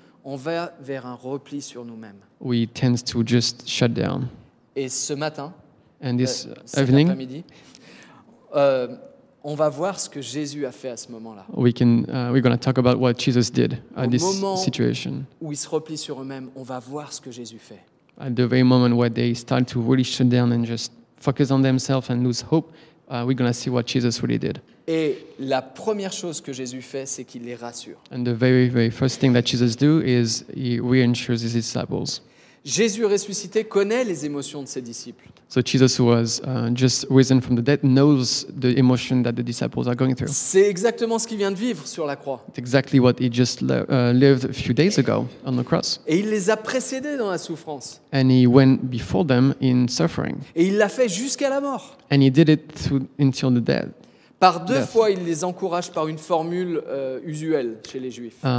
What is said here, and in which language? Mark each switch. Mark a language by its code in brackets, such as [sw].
[fr] On va vers un repli sur nous-mêmes. [en] We tend to just shut down. [fr] Et ce matin. [en] And this evening. [fr] Cet après-midi. On va voir ce que Jésus a fait à ce moment-là. [en] We're going to talk about what Jesus did at this situation. [fr] Où ils se replient sur eux-mêmes, on va voir ce que Jésus fait. [en] At the very moment where they start to really shut down and just focus on themselves and lose hope, we're going to see what Jesus really did. [fr] Et la première chose que Jésus fait, c'est qu'il les rassure. [en] And the very, very first thing that Jesus do is he reassures his disciples. [fr] Jésus ressuscité connaît les émotions de ses disciples. [en] So Jesus, who was just risen from the dead, knows the emotion that the disciples are going through. [fr] C'est exactement ce qu'il vient de vivre sur la croix. [en] It's exactly what he just lived a few days ago on the cross. [fr] Et il les a précédés dans la souffrance. [en] And he went before them in suffering. [fr] Et il l'a fait jusqu'à la mort. [en] And he did it until the death. [fr] Par deux fois, il les encourage par une formule usuelle chez les Juifs.